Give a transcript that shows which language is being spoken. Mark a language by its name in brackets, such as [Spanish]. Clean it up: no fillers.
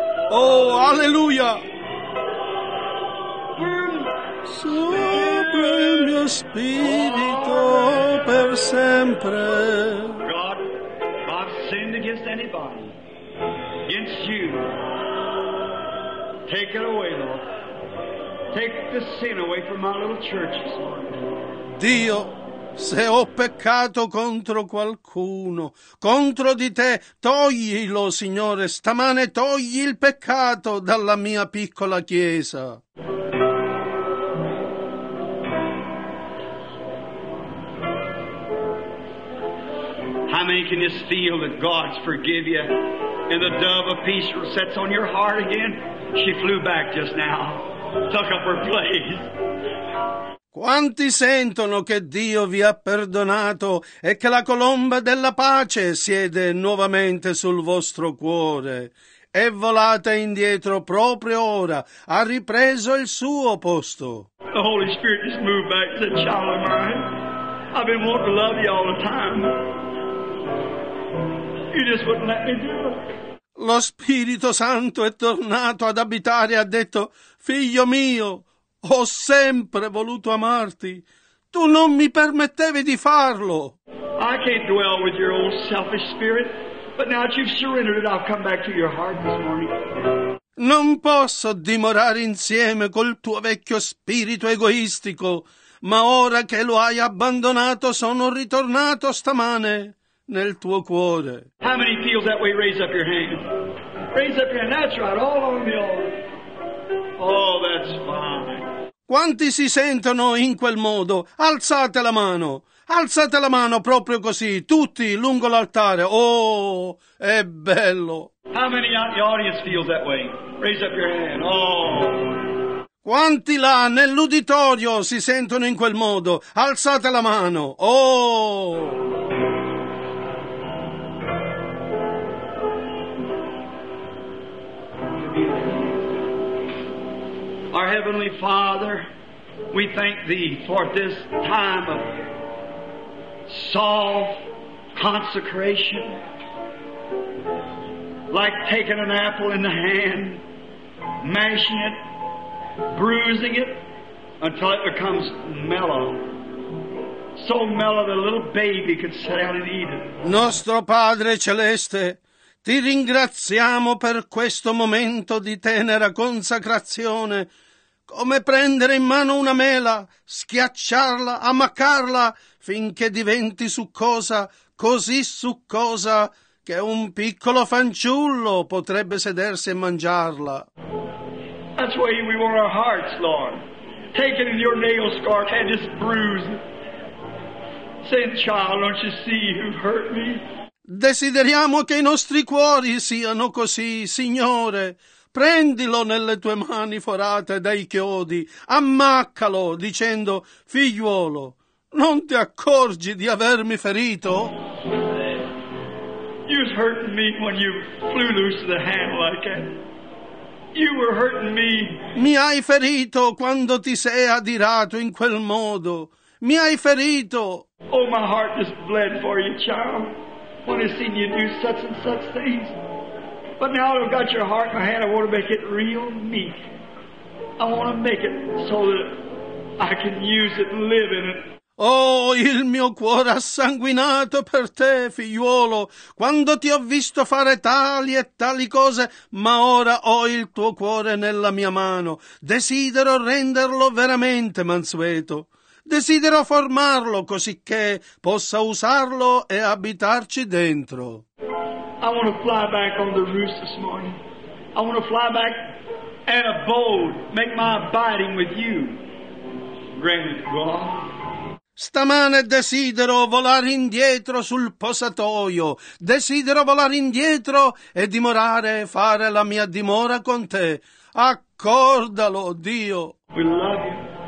[English] Oh, alleluia! [Italian] Sopra il mio spirito per sempre. [English] God, I've sinned against anybody, against you. Take it away, Lord. Take the sin away from my little churches, Lord. [Italian] Dio, se ho peccato contro qualcuno, contro di te, toglilo, Signore, stamane togli il peccato dalla mia piccola chiesa. [English] How many can you feel that God's forgive you and the dove of peace sets on your heart again? She flew back just now, took up her place. [Italian] Quanti sentono che Dio vi ha perdonato e che la colomba della pace siede nuovamente sul vostro cuore? È volata indietro proprio ora, ha ripreso il suo posto. [English] The Holy Spirit just moved back to the child of mine. I've been wanting to love you all the time. You just wouldn't let me do it. [Italian] Lo Spirito Santo è tornato ad abitare e ha detto: figlio mio, ho sempre voluto amarti. Tu non mi permettevi di farlo. [English] I can't dwell with your old selfish spirit, but now that you've surrendered it, I'll come back to your heart this morning. [Italian] Non posso dimorare insieme col tuo vecchio spirito egoistico, ma ora che lo hai abbandonato, sono ritornato stamane nel tuo cuore. [English] How many feel that way? Raise up your hand. Raise up your hand. That's right. All on the altar. Oh, that's fine. [Italian] Quanti si sentono in quel modo? Alzate la mano! Alzate la mano proprio così, tutti lungo l'altare. Oh, è bello! [English] How many out the audience feel that way? Raise up your hand. Oh! [Italian] Quanti là nell'uditorio si sentono in quel modo? Alzate la mano. Oh! [English] Our Heavenly Father, we thank Thee for this time of soft consecration, like taking an apple in the hand, mashing it, bruising it, until it becomes mellow. So mellow that a little baby could sit down and eat it. [Italian] Nostro Padre Celeste, Ti ringraziamo per questo momento di tenera consacrazione. Come prendere in mano una mela, schiacciarla, ammaccarla, finché diventi succosa, così succosa che un piccolo fanciullo potrebbe sedersi e mangiarla. [English] That's why we want our hearts, Lord. Take it in your nail scar and just bruise it. Say, child, don't you see you hurt me? [Italian] Desideriamo che i nostri cuori siano così, Signore. Prendilo nelle tue mani forate dai chiodi, ammaccalo dicendo: figliuolo, non ti accorgi di avermi ferito? [English] You hurt me when you flew loose the hand like that. You were hurting me. [Italian] Mi hai ferito quando ti sei adirato in quel modo. Mi hai ferito. [English] Oh, my heart just bled for you, child. When I seen you do such and such things. But now that I've got your heart in my hand, I want to make it real meek. I want to make it so that I can use it and live in it. [Italian] Oh, il mio cuore ha sanguinato per te, figliuolo, quando ti ho visto fare tali e tali cose, ma ora ho il tuo cuore nella mia mano. Desidero renderlo veramente mansueto. Desidero formarlo così che possa usarlo e abitarci dentro. [English] I want to fly back on the roof this morning. I want to fly back and abode, make my abiding with you. Grant it, God. [Italian] Stamane desidero volare indietro sul posatoio. Desidero volare indietro e dimorare, fare la mia dimora con te. Accordalo, Dio. [English] We love you.